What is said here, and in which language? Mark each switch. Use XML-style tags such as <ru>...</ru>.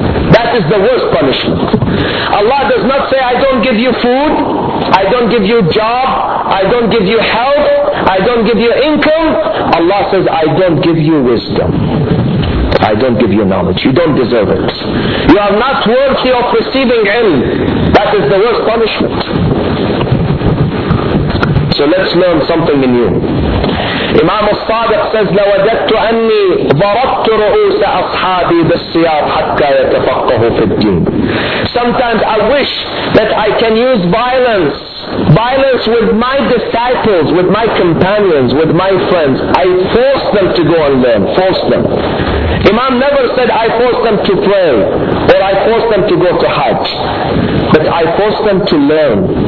<en>That is the worst punishment. Allah does not say, I don't give you food, I don't give you job, I don't give you health, I don't give you income. Allah says, I don't give you wisdom. I don't give you knowledge. You don't deserve it. You are not worthy of receiving ilm. That is the worst punishment. So let's learn something in you. Imam al-Sadiq says,</en> <ar>لَوَدَدْتُ أَنِّي ضَرَبْتُ رُؤُوسَ أَصْحَابِي بِالسِّيَارِ حَتَّى يَتَفَقَّهُ فِي الدِّينِ.</ar> <en>Sometimes I wish that I can use violence with my disciples, with my companions, with my friends. I force them to go and learn, force them. Imam never said, I forced them to pray, or I forced them to go to Hajj, but I forced them to learn.</en>